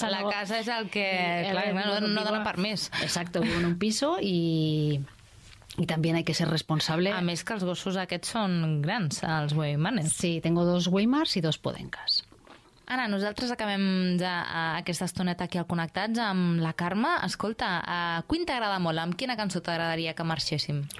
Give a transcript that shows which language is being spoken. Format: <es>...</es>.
<ca>casa es el que no da per més.</ca> <es>Exacto, vivo en un piso y también hay que ser responsable.</es> <ca>A més que els gossos aquests són grans, els Weimaners.</ca> <es>Sí, tengo dos Weimars y dos Podencas.</es> <ca>Ara, nosaltres acabem ja aquesta estoneta aquí al Connectats amb la Carme. Escolta, a Queen t'agrada molt, amb quina cançó t'agradaria que marxéssim?</ca>